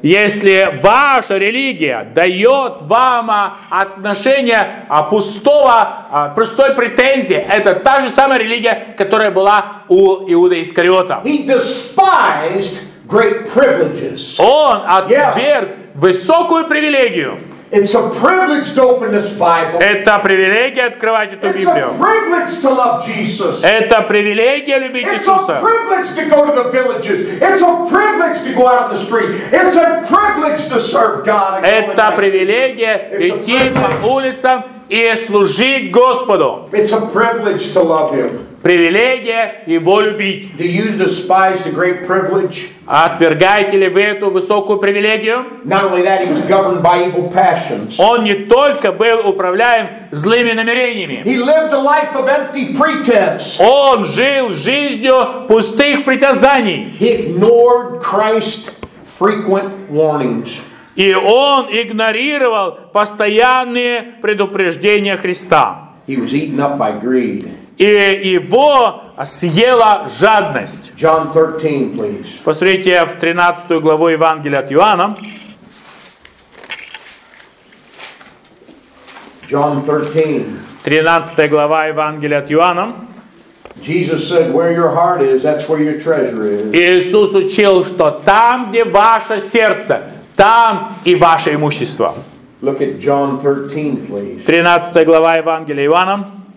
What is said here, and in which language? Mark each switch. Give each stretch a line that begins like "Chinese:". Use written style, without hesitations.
Russian: Если ваша религия дает вам отношение пустой претензии, это та же самая религия, которая была у Иуды Искариота.
English: He despised great privileges.
Russian: Он отверг высокую привилегию.
English: It's a privilege to open this Bible.
Russian: Это привилегия открывать эту Библию.
English: It's a privilege to love Jesus.
Russian: Это привилегия любить Иисуса.
English: It's a privilege to go to the villages. It's a privilege to go out on the street. It's a privilege to serve God.
Russian: Это привилегия идти по улицам и служить Господу.
English: It's a privilege to love Him.
Russian: Привилегия его любить.
English: Do you despise the great privilege?
Russian: Отвергаете ли вы эту высокую привилегию?
English: Not only that, he was governed by evil passions.
Russian: Он не только был управляем злыми намерениями.
English: He lived a life of empty pretense.
Russian: Он жил жизнью пустых притязаний.
English: He ignored Christ's frequent warnings.
Russian: И он игнорировал постоянные предупреждения Христа.
English: He was eaten up by greed.
Russian: И его съела жадность.
English: John 13, please.
Russian: Посмотрите в 13 главу Евангелия от Иоанна.
English: John 13.
Russian: 13 глава Евангелия от Иоанна.
English: Jesus said, where your heart is, that's where your treasure is.
Russian: Иисус учил, что там, где ваше сердце, там и ваше имущество.
English: Look at John 13, please.
Russian: 13 глава Евангелия Иоанна.